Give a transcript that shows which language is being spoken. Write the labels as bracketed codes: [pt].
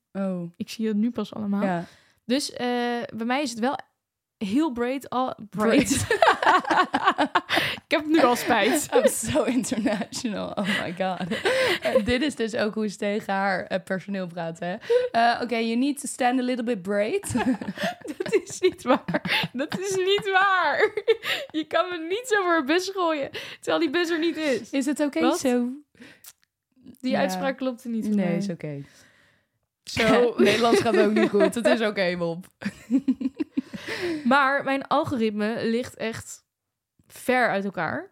[nl] oh, ik zie het nu pas allemaal. Ja. Dus bij mij is het wel heel breed. Breed. Ik heb nu al spijt. [en] I'm so international. Oh my god. [nl] Dit is dus ook hoe ze tegen haar personeel praat, hè? [en] Okay, you need to stand a little bit braid. [nl] Dat is niet waar. Dat is niet waar. Je kan me niet zo voor een bus gooien. Terwijl die bus er niet is. Is het oké zo? Die uitspraak klopt er niet voor nee, mij. Is oké. Zo. Nederlands gaat ook niet goed. Het is oké, Bob. Maar mijn algoritme ligt echt ver uit elkaar.